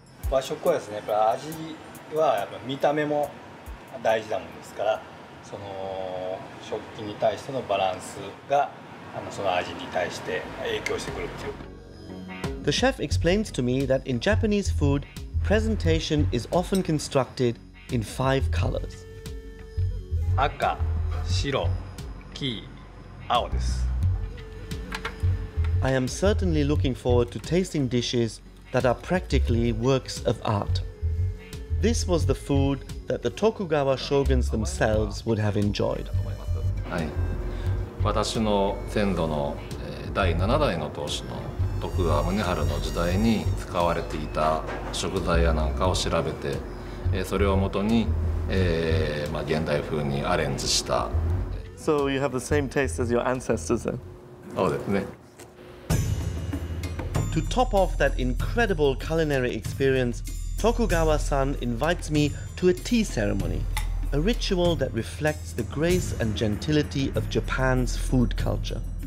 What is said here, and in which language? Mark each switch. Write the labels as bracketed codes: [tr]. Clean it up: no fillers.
[ja] 和食はですね、やっぱり味はやっぱ見た目も大事なものですから、その食器に対してのバランスがその味に対して影響してくるっていう。 [en] The chef explains to me that in Japanese food, presentation is often constructed in 5 colors. [ja] 赤、白、黄、青です。 [en] I am certainly looking forward to tasting dishes that are practically works of art. This was the food that the Tokugawa shoguns themselves would have enjoyed. [ja] はい。私の先祖の第7代の当主の徳川宗春の時代に使われていた食材やなんかを調べて、それをもとに、まあ、現代風にアレンジした。 [en] So you have the same taste as your ancestors then? [ja] そうですね。 [en] To top off that incredible culinary experience, Tokugawa-san invites me to a tea ceremony, a ritual that reflects the grace and gentility of Japan's food culture.